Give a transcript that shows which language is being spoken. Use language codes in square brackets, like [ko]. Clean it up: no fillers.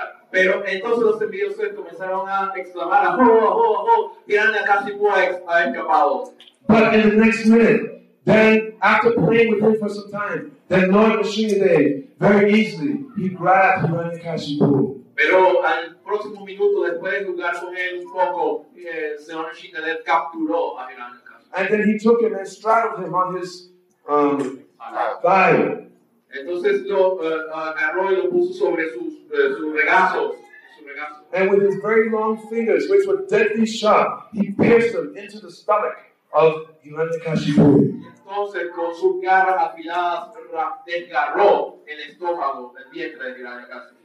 [es] Pero entonces los envidiosos comenzaron a exclamar, Ahu, Hiranyakashipu ha escapado. [en] But in the next minute, then after playing with him for some time, then Lord Rishikadev, very easily, he grabbed Hiranyakashipu. [es] Pero al próximo minuto después de jugar con él un poco, Señor Shikadev capturó a Hiranyakashipu. [en] And then he took him and straddled him on his thigh. [es] Entonces lo agarró y lo puso sobre su regazo. [en] And with his very long fingers, which were deadly sharp, he pierced them into the stomach of Hiranyakashipu. [es] Entonces con sus garras afiladas desgarró el estómago, el vientre de Hiranyakashipu.